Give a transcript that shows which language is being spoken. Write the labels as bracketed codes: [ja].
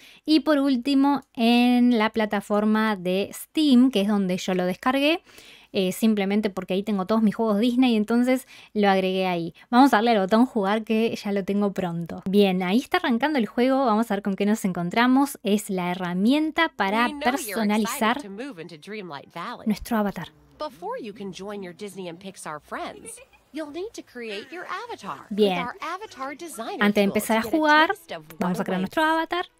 [es] Y por último, en la plataforma de Steam, que es donde yo lo descargué, simplemente porque ahí tengo todos mis juegos Disney, entonces lo agregué ahí. Vamos a darle al botón jugar que ya lo tengo pronto. Bien, ahí está arrancando el juego, vamos a ver con qué nos encontramos. Es la herramienta para personalizar nuestro avatar. [en] Before you can join your Disney and Pixar friends, you'll need to create your avatar. [es] Bien. [en] With our avatar designer. [es] Antes de empezar a jugar, vamos a crear nuestro avatar.